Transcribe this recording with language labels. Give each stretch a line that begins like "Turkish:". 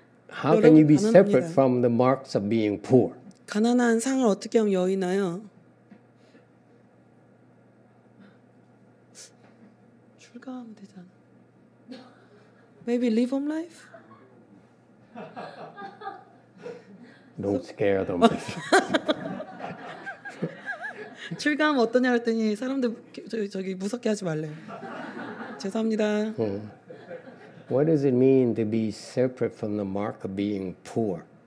English: How can you be separate from the marks of being poor?
Korean: 가난한 상을 어떻게 하면 여의나요? 출가하면 되잖아.
English: Maybe live home life? Don't scare them.
Korean: 출가하면 어떠냐 했더니 사람들 저기 무섭게 하지 말래. 죄송합니다.
English: What does it mean to be separate from the mark of being poor?